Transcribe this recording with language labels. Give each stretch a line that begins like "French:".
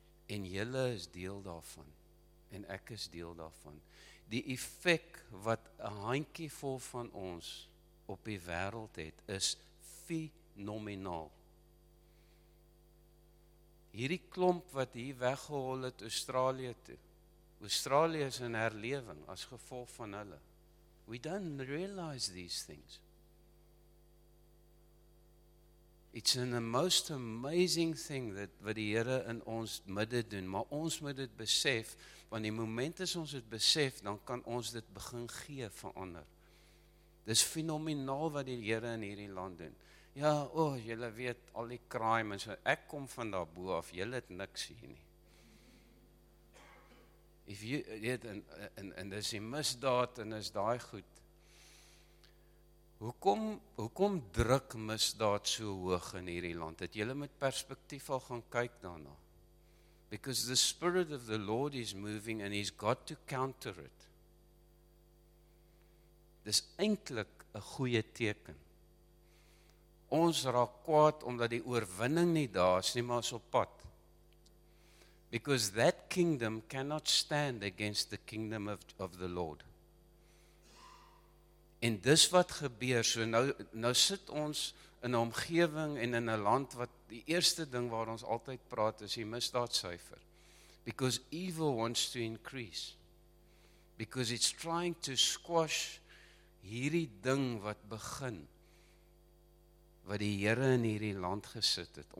Afrikaans: En julle is deel daarvan, en ek is deel daarvan. Die effek wat 'n handjievol van ons op die wêreld het, is fenomenaal. Hierdie klomp wat hier weggehol het Australië toe. Australië is in herlewing as gevolg van hulle.
English: We don't realize these things. It's an most amazing thing that
Afrikaans: wat die Here in ons midde doen, maar ons moet dit besef, want die moment as ons dit besef, dan kan ons dit begin gee vir ander. Dis fenomenaal wat die Here in hierdie land doen. Ja, julle weet al die crime en so. Ek kom van daarbo af, julle het niks hier nie.
English: If you
Afrikaans: dit en dis die misdaad en is daai goed. Hoekom druk misdaad so hoog in hierdie land? Het julle met perspektief al gaan kyk daarna?
English: Because the spirit of the Lord is moving and he's got to counter it.
Afrikaans: Dis eintlik 'n goeie teken. Ons raak kwaad omdat die oorwinning nie daar is nie, maar is op pad.
English: Because that kingdom cannot stand against the kingdom of the Lord.
Afrikaans: En dis wat gebeur, so nou sit ons in 'n omgewing en in 'n land wat die eerste ding waar ons altyd praat is die misdaadsyfer.
English: Because evil wants to increase. Because it's trying to squash
Afrikaans: hierdie ding wat begin, wat die Here in hierdie land gesit het.